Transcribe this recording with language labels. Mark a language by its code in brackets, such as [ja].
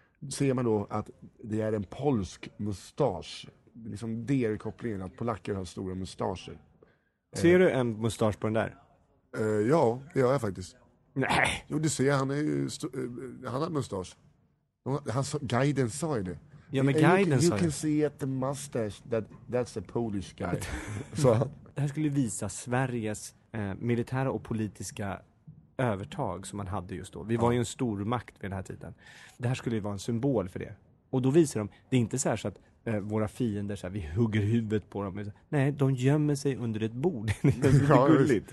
[sv] Ser man då att det är en polsk mustasch. Liksom det är kopplingen, att polacker har stora mustascher. Ser du en mustasch på den där? Ja, det gör jag faktiskt. Nej. Jo, du ser, han är ju han har mustasch. Guiden sa ju det. Ja, men guiden sa det. [en] You can see at the mustache that's a Polish guy. [sv] Så. Det här skulle visa Sveriges militära och politiska övertag som man hade just då. Vi var ju en stor makt vid den här tiden. Det här skulle ju vara en symbol för det. Och då visar de, det är inte så här så att våra fiender, så här, vi hugger huvudet på dem. Nej, de gömmer sig under ett bord. Det är gulligt.